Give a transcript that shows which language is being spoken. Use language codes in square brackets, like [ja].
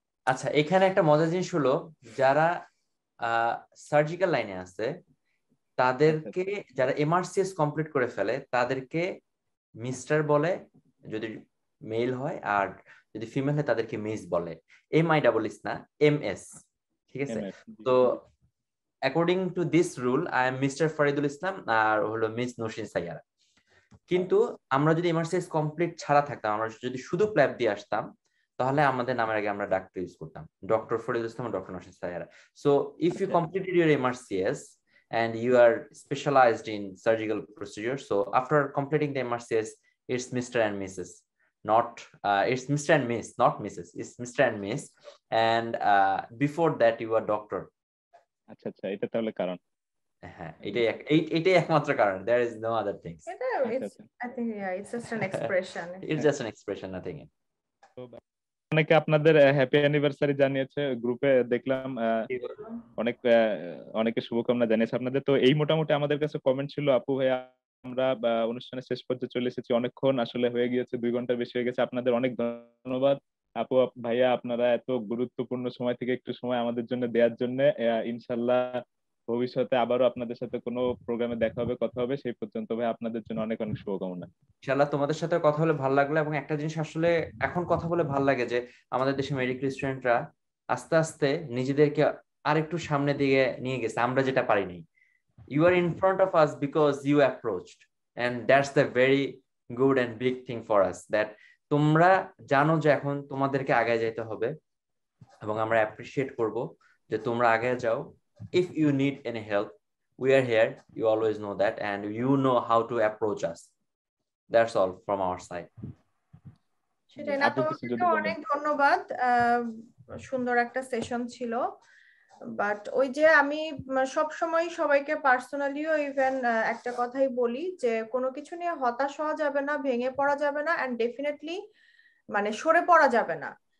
[bn] আচ্ছা, এখানে একটা মজার জিনিস হলো, যারা সার্জিক্যাল লাইনে আছে তাদেরকে, যারা MRCS কমপ্লিট করে ফেলে তাদেরকে মিস্টার বলে যদি মেল হয়, আর যদি ফিমেল হয় তাদেরকে মিস বলে, MIS না, MS, ঠিক আছে? [en] তো according to this rule I am mister Faridul Islam [bn] আর হলো [en] Miss Nasin Saiyara. [bn] কিন্তু আমরা যদি MRCS কমপ্লিট ছাড়া থাকতাম, আমরা যদি শুধু প্ল্যাব দিয়ে আসতাম, তাহলে আমাদের নামের আগে আমরা ডাক্তার ইউজ করতাম, doctor Faridul Islam আর doctor Nasin Saiyaara. [en] So if you completed your MRCS and you are specialized in surgical procedure, so after completing the MRCS, it's Mr. and Mrs. not it's Mr. and Miss, not Mrs. it's Mr. and Miss, and before that you are doctor. [bn] Acha acha, eta tole karon, ha eta eta ekmatro karon, [en] there is no other things. Eta it's I think yeah, it's just an expression. It's just an expression, nothing. [bn] অনেকে আপনাদের happy anniversary জানিয়েছে গ্রুপে দেখলাম, অনেক অনেকে শুভকামনা জানিয়েছে আপনাদের। তো এই মোটামুটি আমাদের কাছে কমেন্ট ছিল আপু ভাই, আমরা অনুষ্ঠানের শেষ পর্যন্ত চলে এসেছি, অনেকক্ষণ আসলে হয়ে গিয়েছে, 2 ঘন্টা বেশি হয়ে গেছে। আপনাদের অনেক ধন্যবাদ আপু ভাইয়া, আপনারা এত গুরুত্বপূর্ণ সময় থেকে একটু সময় আমাদের জন্য দেওয়ার জন্য। ইনশাল্লাহ ভবিষ্যতে আবারও আপনাদের সাথে কোন প্রোগ্রামে দেখা হবে, কথা হবে, সেই পর্যন্ত ভাই আপনাদের জন্য অনেক অনেক শুভকামনা। ইনশাল্লাহ তোমাদের সাথে কথা বলে ভালো লাগলো, এবং একটা জিনিস আসলে এখন কথা বলে ভালো লাগে যে আমাদের দেশে মেরি ক্রিশ্চিয়ানরা আস্তে আস্তে নিজেদেরকে আর একটু সামনে দিকে নিয়ে গেছে, আমরা যেটা পারিনি। [en] you are in front of us because you approached, and that's the very good and big thing for us, [bn] that তোমরা জানো যে এখন তোমাদেরকে আগে যেতে হবে, এবং আমরা অ্যাপ্রিসিয়েট করব যে তোমরা আগে যাও। [en] If you need any help, we are here. You always know that, and you know how to approach us. That's all from our side. [bn] সেটাই না, তোমাকে অনেক ধন্যবাদ, সুন্দর একটা সেশন ছিল। বাট ওই যে আমি সব সময় সবাইকে পার্সোনালিও ইভেন একটা কথাই বলি যে কোনো কিছু নিয়ে হতাশ হওয়া যাবে না, ভেঙে পড়া যাবে না, এন্ড ডেফিনেটলি মানে সরে পড়া যাবে না।